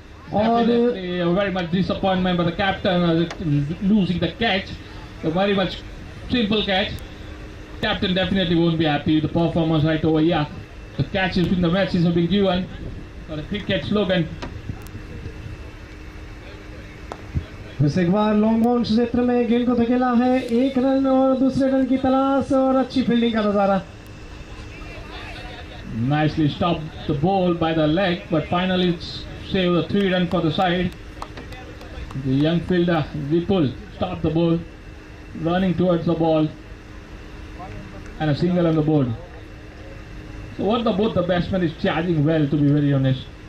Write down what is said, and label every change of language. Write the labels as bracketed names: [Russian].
[English] Definitely very much disappointment by the captain losing the catch. A very much simple catch. Captain definitely won't be happy with the performance right over here. The catch has been the message has been given. But a cricket slogan. [Hindi] फिर एक बार long bounce क्षेत्र में गेंद को धकेला है एक run और दूसरे रन की तलाश और अच्छी फील्डिंग का नजारा [English] Nicely stopped the ball by the leg, but finally it's save a three run for the side the young fielder Vipul stopped the ball running towards the ball and a single on the board so what the both the batsman is charging well to be very honest